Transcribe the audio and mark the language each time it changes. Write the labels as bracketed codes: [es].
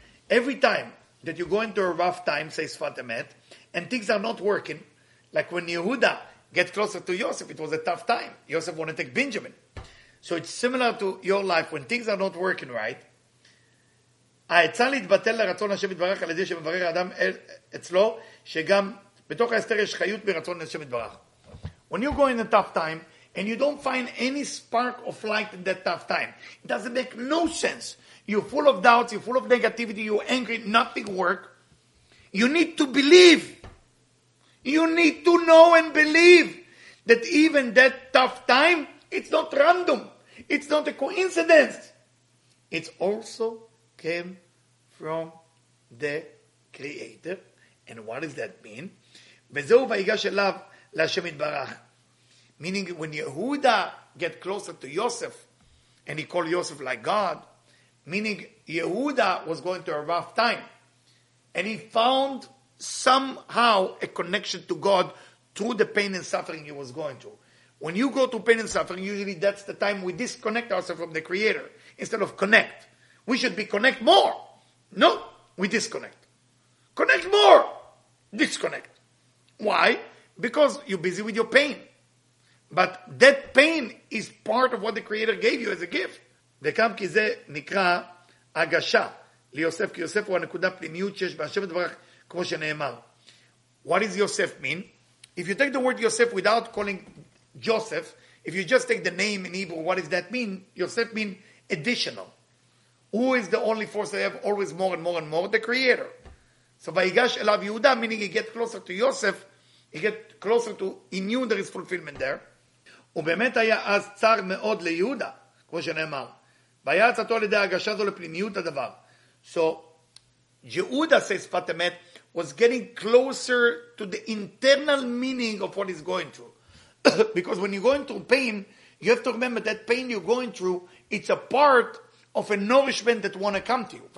[en] Every time that you go into a rough time, says Fatemet, and things are not working, like when Yehuda get closer to Yosef, it was a tough time. Yosef wanted to take Benjamin. So it's similar to your life when things are not working right. [he] העצה להתבטל לרצון השם יתברך על ידי שמברר האדם אצלו שגם בתוך ההסתר יש חיות ברצון השם יתברך. [en] When you go in a tough time and you don't find any spark of light in that tough time, it doesn't make no sense. You're full of doubts, you're full of negativity, you're angry, nothing work. You need to believe. You need to know and believe that even that tough time, it's not random. It's not a coincidence. It's also came from the Creator. And what does that mean? [he] וזהו ויגש אליו להשם יתברך. [en] Meaning when Yehuda get closer to Yosef, and he called Yosef like God, meaning Yehuda was going through a rough time, and he found somehow a connection to God through the pain and suffering he was going through. When you go through pain and suffering, usually that's the time we disconnect ourselves from the Creator instead of connect. We should be connect more. No, we disconnect. Connect more. Disconnect. Why? Because you're busy with your pain. But that pain is part of what the Creator gave you as a gift. [he] וקם כי זה נקרא הגשה ליוסף, כי יוסף הוא הנקודה פנימיות שיש בהשם דברך, כמו שנאמר. [en] What does Yosef mean? If you take the word Yosef without calling Joseph, if you just take the name in Hebrew, what does that mean? Yosef means additional. Who is the only force that have always more and more and more? The Creator. So, [he] Vayigash Elav Yehuda, [en] meaning he get closer to Yosef, he get closer to, he knew there is fulfillment there. [he] ובאמת היה אז צר מאוד ליהודה, כמו שנאמר. והיה הצעתו על ידי ההגשה הזו לפנימיות הדבר. [en] So, Yehuda, says Fatemet, was getting closer to the internal meaning of what he's going through. Because when you're going through pain, you have to remember that pain you're going through, it's a part of a nourishment that want to come to you.